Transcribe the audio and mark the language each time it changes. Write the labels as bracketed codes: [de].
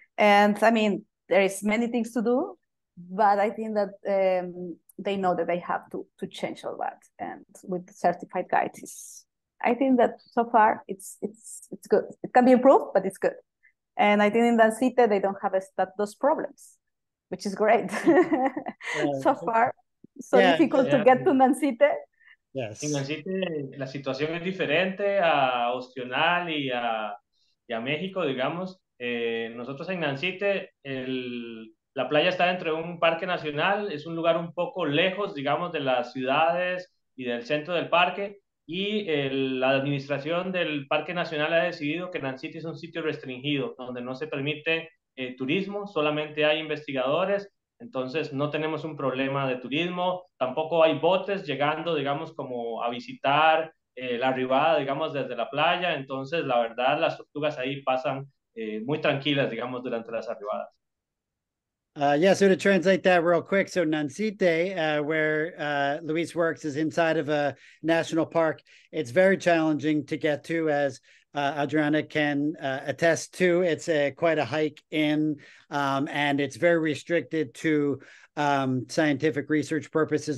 [en] And I mean, there is many things to do, but I think that they know that they have to change all that. And with certified guides, I think that so far it's good. It can be improved, but it's good. And I think in Dancite they don't have those problems, which is great. So far, so yeah, difficult to get to Dancite. Yes. [es] In Dancite, la situación es diferente a Ustinal y a México, digamos. Nosotros en Dancite, la playa está dentro de un parque nacional. Es un lugar un poco lejos, digamos, de las ciudades y del centro del parque. Y la administración del Parque Nacional ha decidido que Nancite es un sitio restringido, donde no se permite turismo, solamente hay investigadores, entonces no tenemos un problema de turismo, tampoco hay botes llegando, digamos, como a visitar la Arribada, digamos, desde la playa, entonces la verdad las tortugas ahí pasan muy tranquilas, digamos, durante las Arribadas. [en] Yeah, so to translate that real quick, so Nancite, where Luis works, is inside of a national park. It's very challenging to get to, as Adriana can attest to. It's a quite a hike in, and it's very restricted to scientific research purposes.